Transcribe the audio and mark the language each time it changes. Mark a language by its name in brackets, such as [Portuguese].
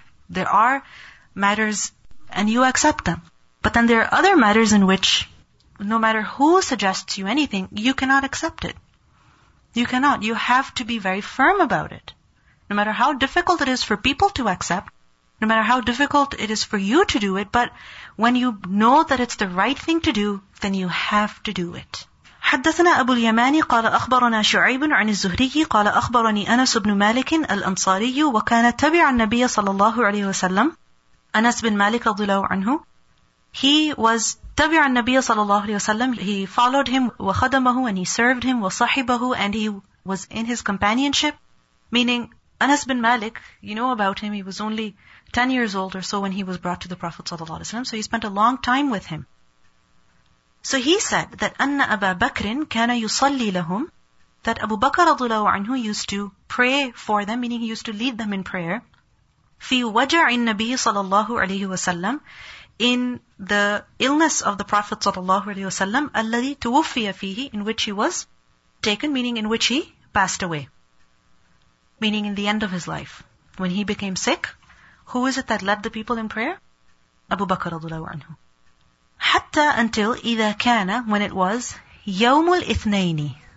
[English] There are matters and you accept them. But then there are other matters in which no matter who suggests you anything, you cannot accept it. You cannot. You have to be very firm about it. No matter how difficult it is for people to accept, no matter how difficult it is for you to do it, but when you know that it's the right thing to do, then you have to do it. [Arabic] حدثنا أبو اليمان قال أخبرنا شعيب عن الزهري قال أخبرني أنس بن مالك الأنصاري وكان تبع النبي صلى الله عليه وسلم. [English] أنس بن مالك رضي الله عنه, he was [Arabic] تبع النبي صلى الله عليه وسلم, [English] he followed him [Arabic] وخدمه [English] and he served him [Arabic] وصحبه [English] and he was in his companionship. Meaning Anas bin Malik, you know about him, he was only 10 years old or so when he was brought to the Prophet sallallahu alaihi wasallam, so he spent a long time with him. So he said that [Arabic] anna Aba Bakrin kana yusalli lahum, [English] that Abu Bakr radhiyallahu anhu used to pray for them, meaning he used to lead them in prayer. [Arabic] Fi waja'in nabi sallallahu alaihi wasallam, [English] in the illness of the Prophet sallallahu alaihi wasallam, [Arabic] alladhi tuwaffiya fihi, [English] in which he was taken, meaning in which he passed away, meaning in the end of his life, when he became sick, who is it that led the people in prayer? Abu Bakr radhiyallahu anhu. [Arabic] Hatta, [English] until, [Arabic] إذا كان, [English] when it was, [Arabic] يوم الاثنين.